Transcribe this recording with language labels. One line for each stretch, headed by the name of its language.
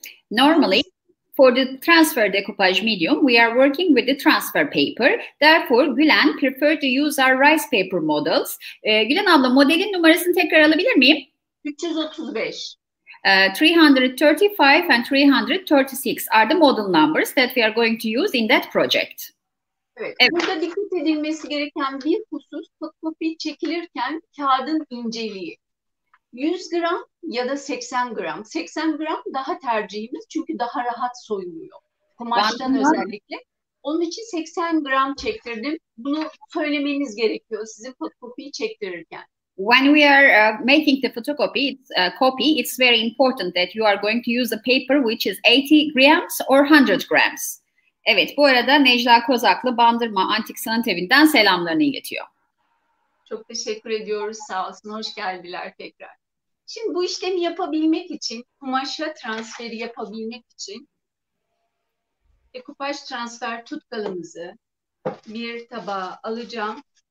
English: Normally for the transfer decoupage medium, we are working with the transfer paper. Therefore, Gülen preferred to use our rice paper models.
Turkish: Gülen abla, modelin numarasını tekrar alabilir miyim? 335.
English: 335 and 336 are the model numbers that we are going to use in that project.
Turkish: Evet. Burada dikkat edilmesi gereken bir husus, fotokopi çekilirken kağıdın inceliği. 100 gram ya da 80 gram. 80 gram daha tercihimiz çünkü daha rahat soyuluyor. Kumaştan özellikle. Onun için 80 gram çektirdim. Bunu söylemeniz gerekiyor sizin fotokopiyi çektirirken.
English: When we are making the photocopy, copy, it's very important that you are going to use a paper which is 80 grams or 100 grams.
Turkish: Evet, bu arada Necla Kozaklı Bandırma Antik Sanat Evi'nden selamlarını iletiyor. Çok teşekkür ediyoruz, sağ olsun. Hoş geldiler tekrar. Şimdi bu işlemi yapabilmek için, kumaşa transferi yapabilmek için dekupaj transfer tutkalımızı bir tabağa alacağım.